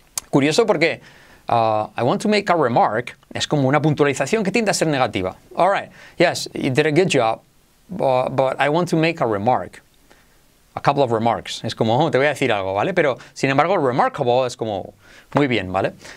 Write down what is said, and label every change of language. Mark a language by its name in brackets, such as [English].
[Spanish] Curioso porque [English] I want to make a remark [Spanish] es como una puntualización que tiende a ser negativa. [English] All right. Yes, you did a good job, but I want to make a remark. A couple of remarks. [Spanish] Es como, oh, te voy a decir algo, ¿vale? Pero, sin embargo, remarkable es como muy bien, ¿vale?